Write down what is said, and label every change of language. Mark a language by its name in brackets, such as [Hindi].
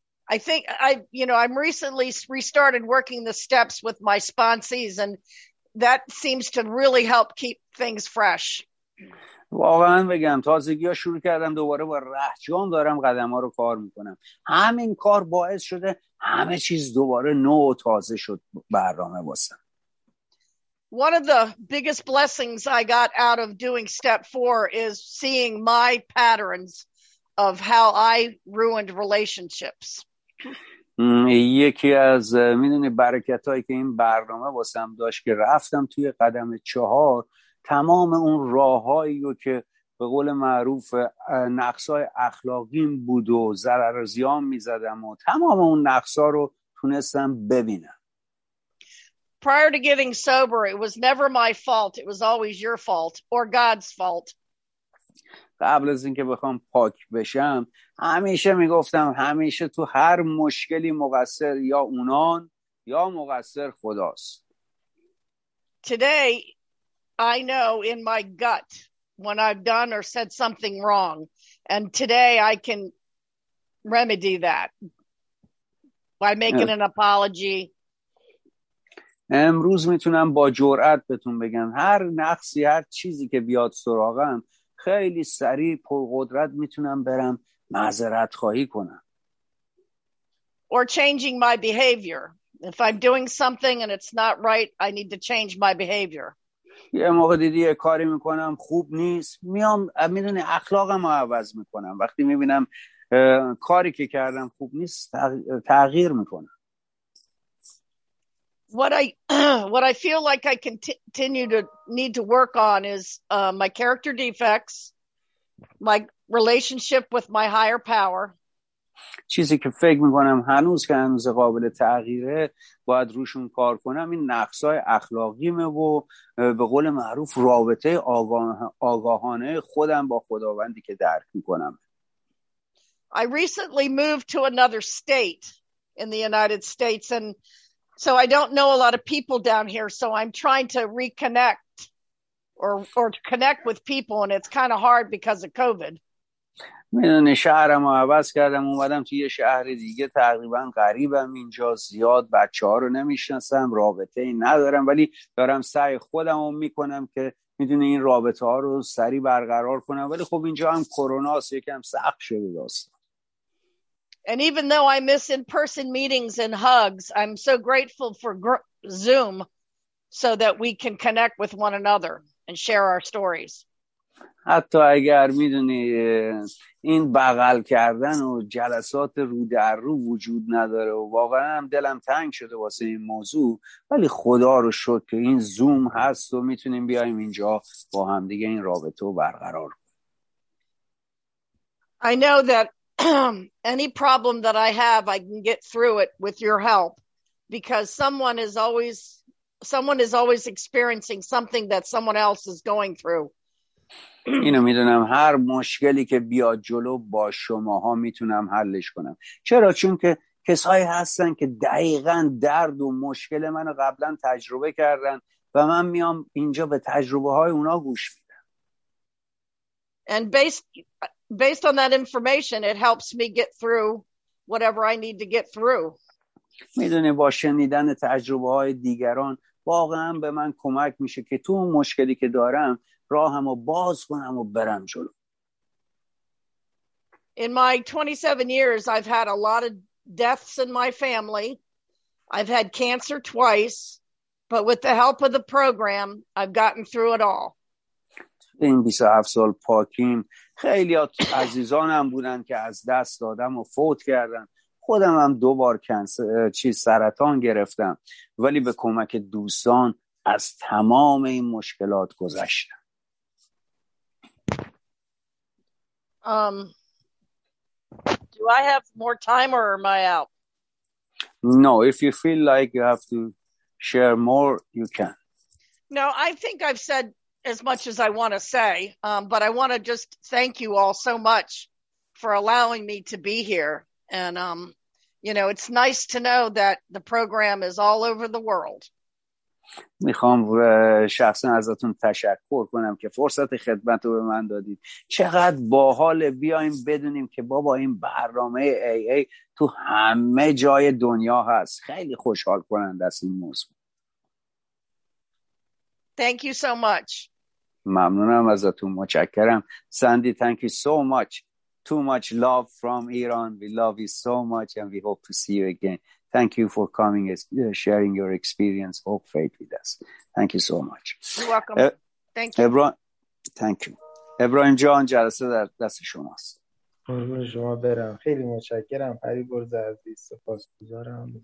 [English] I'm recently restarted working the steps with my sponsees, and that seems to really help keep things fresh. [Persian] واقعا بگم تازگی ها شروع کردم دوباره با رهجان دارم قدم ها رو کار میکنم. همین کار باعث شده همه چیز دوباره نو و تازه شد برنامه واسم. [English] One of the biggest blessings I got out of doing step 4 is seeing my patterns of how I ruined relationships. [Persian] یکی از میدونی برکت هایی که این برنامه واسم داشت که رفتم توی قدم 4 تمام اون راه هایی که به قول معروف نقص های اخلاقیم بود و ضرر و زیان می زدم و تمام اون نقص ها رو تونستم ببینم. [English] Prior to getting sober, it was never my fault. It was always your fault or God's fault. [Persian] قبل از اینکه بخوام پاک بشم همیشه میگفتم همیشه تو هر مشکلی مقصر یا اونان یا مقصر خداست. [English] Today I know in my gut when I've done or said something wrong, and today I can remedy that by making an apology. [Persian] امروز میتونم با جرأت بهتون بگم هر نقصی هر چیزی که بیاد سراغم خیلی سریع پرقدرت میتونم برم معذرت خواهی کنم. [English] Or changing my behavior. If I'm doing something and it's not right, I need to change my behavior. [Persian] یه موقع دیدی یه کاری میکنم خوب نیست، میام میدونی اخلاقم رو عوض میکنم. وقتی میبینم کاری که کردم خوب نیست تغییر میکنم. [English] What I feel like I continue to need to work on is my character defects, my relationship with my higher power. [Persian] چیزی که فکر میکنم هنوز که هنوز قابل تغییره باید روشون کار کنم این نقصای اخلاقیمه و به قول معروف رابطه آگاهانه خودم با خداوندی که درک میکنم. [English] I recently moved to another state in the United States and so I don't know a lot of people down here, so I'm trying to reconnect or to connect with people and it's kind of hard because of COVID. [Persian] میدونی شهرم رو عوض کردم اومدم توی یه شهر دیگه تقریبا غریبم اینجا زیاد بچه ها رو نمیشناسم رابطه این ندارم ولی دارم سعی خودم رو میکنم که میدونی این رابطه ها رو سریع برقرار کنم ولی خب اینجا هم کرونا هست یکم سخت شده داستان. [English] And even though I miss in-person meetings and hugs, I'm so grateful for Zoom so that we can connect with one another and share our stories. [Persian] حتی اگر میدونی این بغل کردن و جلسات رو در رو وجود نداره و واقعا هم دلم تنگ شده واسه این موضوع ولی خدا رو شکر که این زوم هست و میتونیم بیایم اینجا با هم دیگه این رابطه رو برقرار کنیم. [English] I know that any problem that I have I can get through it with your help because someone is always experiencing something that someone else is going through. [Persian] اینو میدونم هر مشکلی که بیاد جلو با شماها میتونم حلش کنم. چرا؟ چون که کسایی هستن که دقیقاً درد و مشکل منو قبلا تجربه کردن و من میام اینجا به تجربه های اونا گوش میدم. [English] And based on that information it helps me get through whatever I need to get through. [Persian] میدونی با شنیدن تجربه های دیگران واقعا به من کمک میشه که تو اون مشکلی که دارم راهمو باز کنم و برم جلو. [English] In my 27 years I've had a lot of deaths in my family. I've had cancer twice, but with the help of the program I've gotten through it all. [Persian] این 27 سال پاکیم خیلی عزیزانم بودن که از دست دادم و فوت کردن. خودم هم دو بار سرطان گرفتم ولی به کمک دوستان از تمام این مشکلات گذشتم. [English] Do I have more time or am I out? No, if you feel like you have to share more, you can. No, I think I've said as much as I want to say, but I want to just thank you all so much for allowing me to be here. And, you know, it's nice to know that the program is all over the world. [Persian] میخوام شخصا ازتون تشکر کنم که فرصت خدمت رو به من دادید. چقدر باحال بیایم بدونیم که بابا این برنامه ای ای تو همه جای دنیا هست. خیلی خوشحال کننده است این موضوع. [English] Thank you so much. [Persian] ممنونم ازتون، متشکرم. Sandy, [English] thank you so much. Too much love from Iran. We love you so much and we hope to see you again. Thank you for coming and sharing your experience of faith with us. Thank you so much. You're welcome. Thank you. [Persian] Ibrahim John, جلسه در دست شماست. قربون شما برم. خیلی متشکرم. پریبرز عزیز. سپاسگزارم.